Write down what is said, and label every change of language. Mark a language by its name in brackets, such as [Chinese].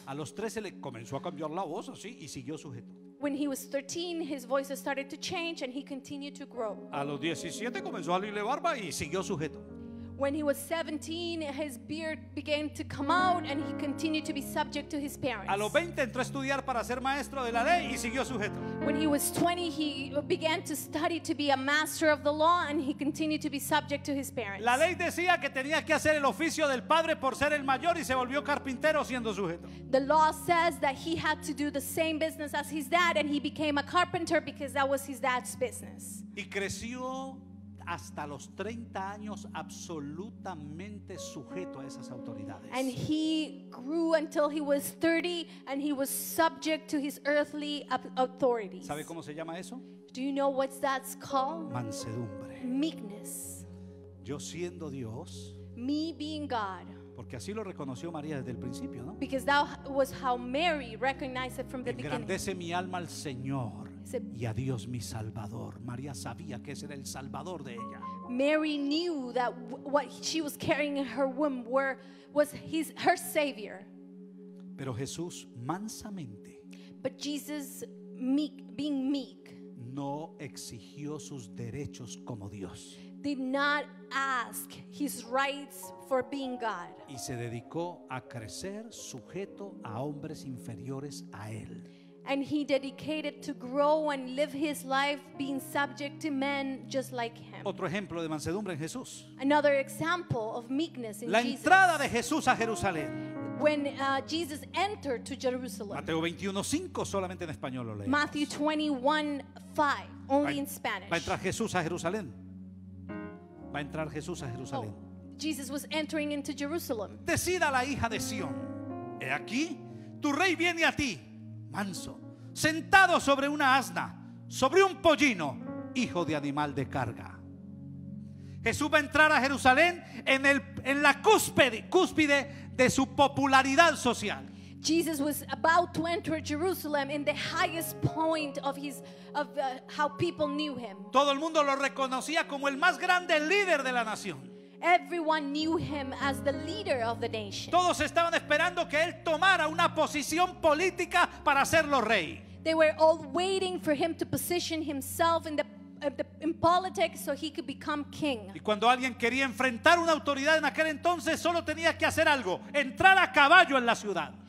[Spanish] A los 13 le comenzó a cambiar la voz, así, y siguió sujeto. [English] When he was 13, his voice started to change and he continued to grow. [Spanish] A los 17 comenzó a salirle barba y siguió sujeto. [English] When he was 17, his beard began to come out and he continued to be subject to his parents. [Spanish] A los 20 entró a estudiar para ser maestro de la ley y siguió sujeto. [English] When he was 20, he began to study to be a master of the law and he continued to be subject to his parents. [Spanish] La ley decía que tenía que hacer el oficio del padre por ser el mayor y se volvió carpintero siendo sujeto. [English] The law says that he had to do the same business as his dad and he became a carpenter because that was his dad's business. [Spanish] Y creció hasta los 30 años absolutamente sujeto a esas autoridades. [English] And he grew until he was 30 and he was subject to his earthly authorities. [Spanish] ¿Sabe cómo se llama eso? [English] Do you know what that's called? [Spanish] Mansedumbre. [English] Meekness. [Spanish] Yo siendo Dios. [English] Me being God. [Spanish] Porque así lo reconoció María desde el principio, ¿no? [English] Because that was how Mary recognized it from the beginning. [Spanish] Engrandece mi alma al Señor. Y a Dios mi Salvador. María sabía que ese era el Salvador de ella. [English] Mary knew that what she was carrying in her womb was her Savior. [Spanish] Pero Jesús mansamente. [English] But Jesus meek, being meek. [Spanish] No exigió sus derechos como Dios. [English] Did not ask his rights for being God. [Spanish] Y se dedicó a crecer sujeto a hombres inferiores a él. [English] And he dedicated to grow and live his life being subject to men just like him. [Spanish] Otro ejemplo de mansedumbre en Jesús. [English] Another example of meekness in [Spanish] Jesus. La entrada de Jesús a Jerusalén. [English] When Jesus entered to Jerusalem. [Spanish] Mateo 21:5 solamente en español lo leemos. [English] Matthew 21:5 only in Spanish. [Spanish] Va a entrar Jesús a Jerusalén. Va a entrar Jesús a Jerusalén. [English] Oh, Jesus was entering into Jerusalem. [Spanish] Decida la hija de Sion. He aquí, tu rey viene a ti. Manso, sentado sobre una asna, sobre un pollino, hijo de animal de carga. Jesús va a entrar a Jerusalén en la cúspide de su popularidad social. [English] Jesus was about to enter Jerusalem in the highest point of his how people knew him. [Spanish] Todo el mundo lo reconocía como el más grande líder de la nación. [English] Everyone knew him as the leader of the nation. [Spanish] Todos estaban esperando que él tomara una posición política para hacerlo rey. [English] They were all waiting for him to position himself in politics so he could become king. [Spanish] Y cuando alguien quería enfrentar una autoridad en aquel entonces, solo tenía que hacer algo: entrar a caballo en la ciudad.